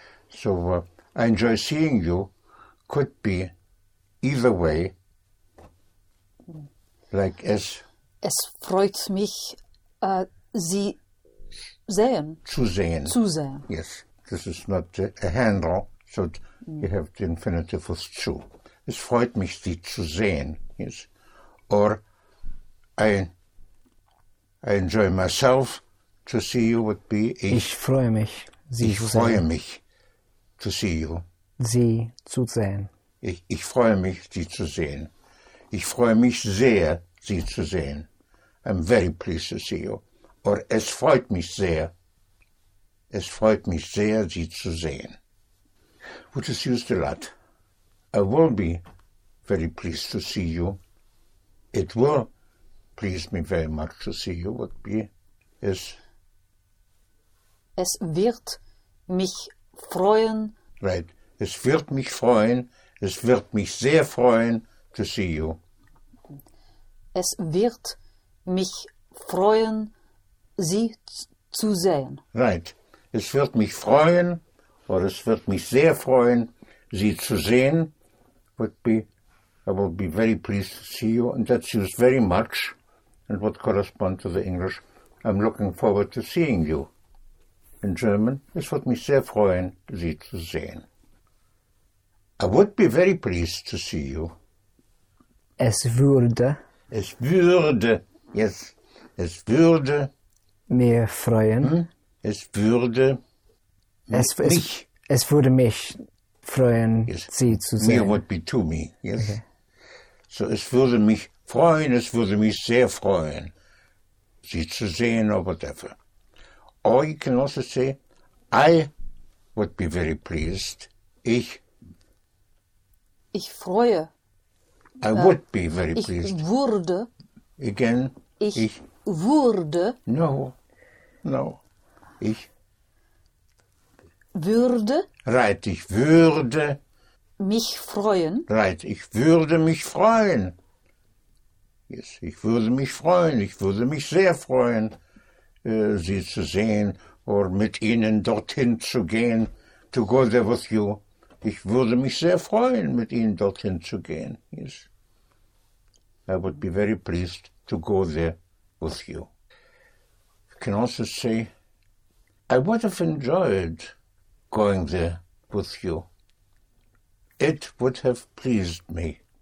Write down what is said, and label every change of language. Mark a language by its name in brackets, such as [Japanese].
[English] So I enjoy seeing you could be either way, like es. [German] Es freut mich, Sie sehen. Zu sehen. Zu sehen. [English] Yes, this is not a handle, so you have the infinitive with zu. [German] Es freut mich, Sie zu sehen. [English] Yes, or I enjoy myself to see you would be [German] ich freue mich, Sie ich zu sehen. Freue mich [English] to see you. [German] Sie zu sehen. Ich freue mich, Sie zu sehen. Ich freue mich sehr, Sie zu sehen. [English] I'm very pleased to see you. [German] Or es freut mich sehr. Es freut mich sehr, Sie zu sehen. [English] Which is used a lot. I will be very pleased to see you. It will please me very much to see you would be es. [German] Es wird mich freuen. Right. Es wird mich freuen. Es wird mich sehr freuen [English] to see you. [German] Es wird mich freuen, Sie zu sehen. [English] Right. [German] Es wird mich freuen, or es wird mich sehr freuen, Sie zu sehen. [English] Would be, I will be very pleased to see you. And that's used very much and would correspond to the English. I'm looking forward to seeing you. In German, [German] es wird mich sehr freuen, Sie zu sehen. [English] I would be very pleased to see you. [German] Es würde. Es würde. Yes. Es würde. Mir freuen. Hm? Es würde. Es, mich. Es würde mich freuen, yes. Sie zu sehen. [English] Mir would be to me. Yes. Okay. [German] So es würde mich freuen, es würde mich sehr freuen, Sie zu sehen [English] or whatever. Or you can also say, I would be very pleased. [German] Ich freue. [English] I would be very pleased. [German] Ich würde. [English] Again. [German] Ich würde. [English] No. No. Ich. [German] Würde. Right. Ich würde. Mich freuen. Right. Ich würde mich freuen. Yes. Ich würde mich freuen. Ich würde mich sehr freuen, Sie zu sehen oder mit Ihnen dorthin zu gehen. [English] To go there with you. [German] Ich würde mich sehr freuen, mit Ihnen dorthin zu gehen. [English] Yes. I would be very pleased to go there with you. You can also say, I would have enjoyed going there with you. It would have pleased me.